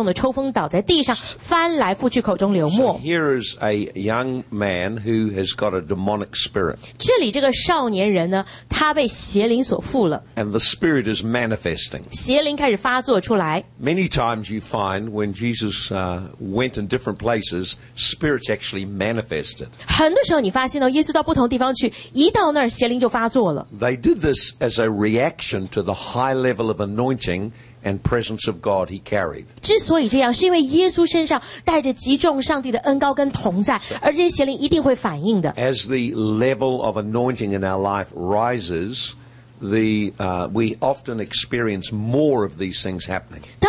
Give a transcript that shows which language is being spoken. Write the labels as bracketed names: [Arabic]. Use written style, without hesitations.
[Chinese] 他们就带了他来，这个孩子一见耶稣，鬼便叫他重重的抽风，倒在地上，翻来覆去，口中流沫。 [English] So here is a young man who has got a demonic spirit. [Chinese] 这里这个少年人呢，他被邪灵所附了。 [English] And the spirit is manifesting. [Chinese] 邪灵开始发作出来。 [English] Many times you find when Jesus went in different places, spirits actually manifested. [Chinese] 很多时候你发现呢，耶稣到不同地方去，一到那儿，邪灵就发作了。 [English] They did this as a reaction to the high level of anointing and presence of God he carried. [Chinese] 之所以这样，是因为耶稣身上带着极重上帝的恩膏跟同在，而这些邪灵一定会反应的。 [English] As the level of anointing in our life rises, we often experience more of these things happening.